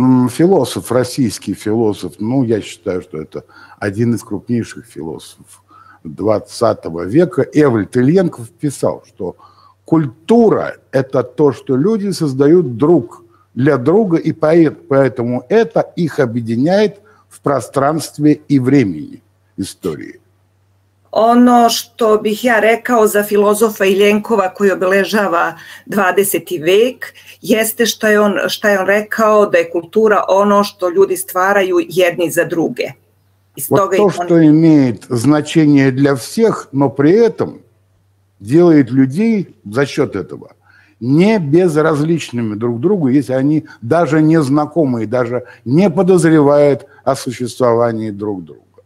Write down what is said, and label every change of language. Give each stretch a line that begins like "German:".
Russian: Filosof, российский filosof, ну, я считаю, что это один из крупнейших filosof 20 века Эвель Тельенков писал, что культура – это то, что люди создают друг для друга, и поэтому это их объединяет в пространстве и времени истории.
Serbian: Ono što bih ja rekao za filozofa Iljenkova koji obeležava 20. vek jeste što je on rekao da je kultura ono što ljudi stvaraju jedni za druge. To što
Russian: imeет значение для всех, но при этом делает людей за счет этого не безразличными друг другу, если они даже не знакомы и даже не подозревают о существовании друг друга.